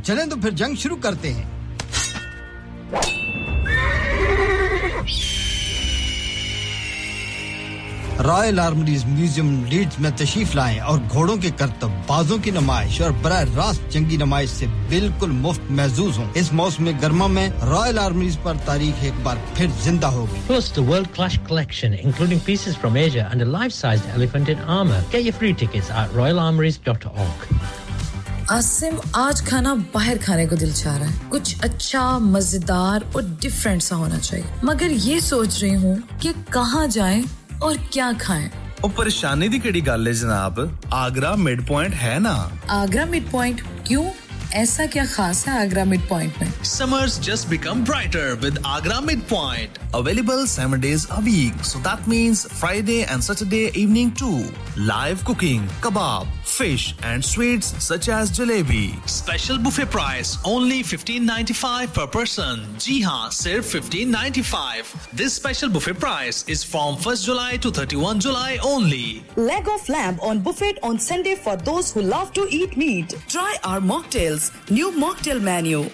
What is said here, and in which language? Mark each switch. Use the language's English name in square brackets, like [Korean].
[Hindi] चलें तो फिर जंग शुरू करते हैं रॉयल आर्मरीज म्यूजियम लीड्स में तशरीफ लाएं और घोड़ों के करतब बाजों की नमाइश और बराह रास्त जंगी नमाइश से बिल्कुल मुफ्त महसूस हों इस मौसम गर्मा में रॉयल आर्मरीज पर तारीख एक बार फिर जिंदा होगी [English] First, a world-class collection, including pieces from Asia and a life-sized elephant in armor. Get your free tickets at royalarmories.org. [Hindi] Asim आज खाना बाहर खाने को दिल चाह रहा है कुछ अच्छा मजेदार और डिफरेंट सा होना चाहिए मगर ये सोच रही हूं कि कहां जाएं और क्या खाएं [Punjabi] ओ परेशानी दी केड़ी गल है जनाब आगरा मिड पॉइंट है ना [Hindi] आगरा मिड पॉइंट क्यों ऐसा क्या खास है आगरा मिड पॉइंट में [English] summers just become brighter with Agra mid point available 7 days a week so that means Friday and Saturday evening to live cooking kebab fish and sweets such as jalebi special buffet price only 1595 per person [Hindi] ji ha sirf 1595 [English] this special buffet price is from 1st july to 31 july only leg of lamb on buffet on sunday for those who love to eat meat try our mocktails new mocktail menu